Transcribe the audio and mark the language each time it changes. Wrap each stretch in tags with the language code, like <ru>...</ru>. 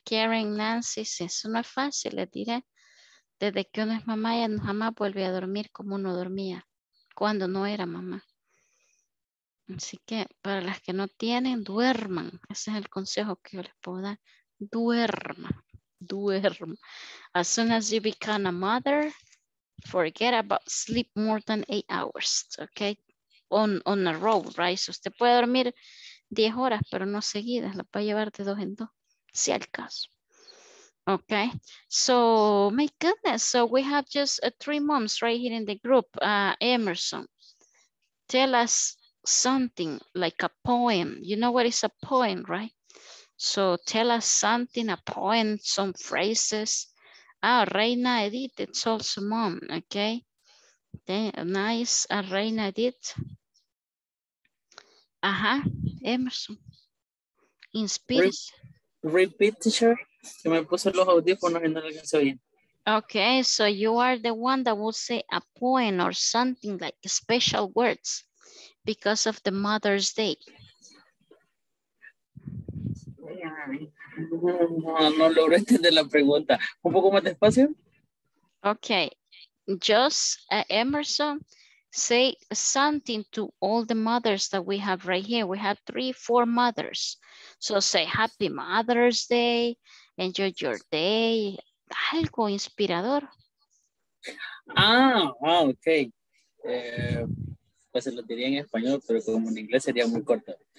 <es>Karen, Nancy, si eso no es fácil, les diré. Desde que uno es mamá, ya jamás vuelve a dormir como uno dormía cuando no era mamá. Así que para las que no tienen, duerman. Ese es el consejo que yo les puedo dar. Duerma.</es> <en>As soon as you become a mother, forget about sleep more than 8 hours, ¿ok? On a row, right?</en> <es>Usted puede dormir 10 horas, pero no seguidas. La puede llevar de 2 en 2, si al caso.</es> <en>Okay. So, my goodness. So, we have just 3 moms right here in the group. Emerson, tell us something like a poem. You know what is a poem, right? So, tell us something, a poem, some phrases. Ah, Reina Edith, it's also mom, okay? Nice, Reina Edith. Ajá, Emerson. In spirit. Repeat, teacher.</en> <es>Que me puse los audífonos y no lo hice bien.</es> <en>Okay, so you are the one that will say a poem or something like special words because of the Mother's Day.</en> <es>No logro entender la pregunta. Un poco más despacio.</es> <en>Okay, just Emerson, say something to all the mothers that we have right here. We have 3-4 mothers. So say Happy Mother's Day, enjoy your day.</en> <es>Algo inspirador. Ah, ok. Pues se lo diría en español, pero como en inglés sería muy corto.</es>